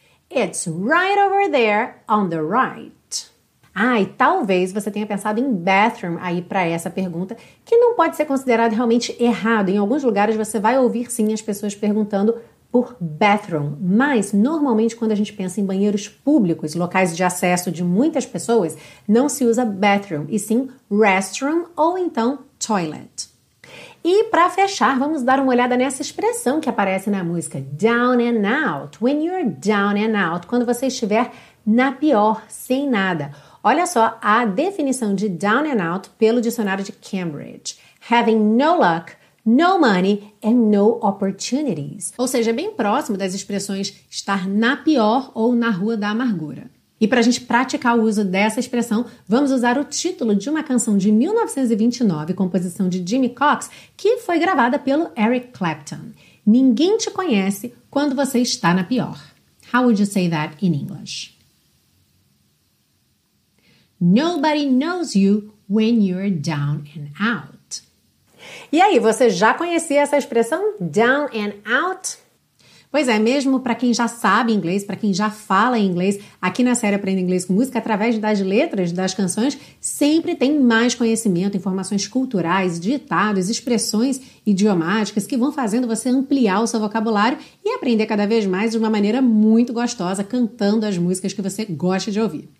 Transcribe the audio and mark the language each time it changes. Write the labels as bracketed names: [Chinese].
[English] It's right over there on the right. [Portuguese] Ah, e talvez você tenha pensado em bathroom aí para essa pergunta, que não pode ser considerado realmente errado. Em alguns lugares você vai ouvir sim as pessoas perguntando por bathroom, mas normalmente quando a gente pensa em banheiros públicos, locais de acesso de muitas pessoas, não se usa bathroom, e sim restroom ou então toilet. E para fechar, vamos dar uma olhada nessa expressão que aparece na música, down and out. [English] When you're down and out, [Portuguese] quando você estiver na pior, sem nada. Olha só a definição de down and out pelo dicionário de Cambridge. [English] Having no luck, no money and no opportunities. [Portuguese] Ou seja, bem próximo das expressões estar na pior ou na rua da amargura. E para a gente praticar o uso dessa expressão, vamos usar o título de uma canção de 1929, composição de Jimmy Cox, que foi gravada pelo Eric Clapton. Ninguém te conhece quando você está na pior. [English] How would you say that in English? Nobody knows you when you're down and out. [Portuguese] E aí, você já conhecia essa expressão? Down and out? Pois é, mesmo para quem já sabe inglês, para quem já fala inglês, aqui na série Aprenda Inglês com Música, através das letras das canções, sempre tem mais conhecimento, informações culturais, ditados, expressões idiomáticas que vão fazendo você ampliar o seu vocabulário e aprender cada vez mais de uma maneira muito gostosa, cantando as músicas que você gosta de ouvir.